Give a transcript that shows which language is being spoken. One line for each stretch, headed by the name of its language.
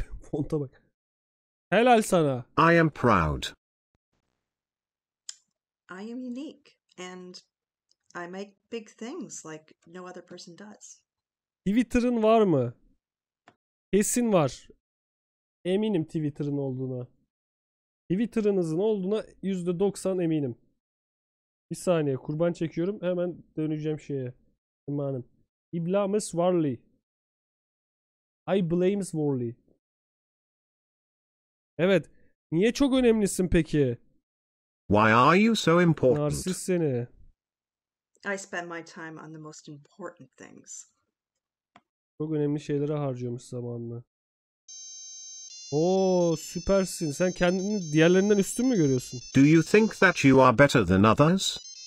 Turkish: Fonta bak. Helal sana.
English: I am proud. I am unique and I make big things like no other person does.
Turkish: Twitter'ın var mı? Kesin var. Eminim Twitter'ın olduğuna. Twitter'ınızın olduğuna %90 eminim. Bir saniye, kurban çekiyorum. Hemen döneceğim şeye. İmanım. İblames Warley. I blames Warley. Evet. Niye çok önemlisin peki?
English: Why are you so important?
Turkish: Narsist seni.
English: I spend my time on the most important things.
Turkish: Çok önemli şeylere harcıyormuş zamanını. Oo, süpersin. Sen kendini diğerlerinden üstün mü görüyorsun?
English: Do you think that you are better than others?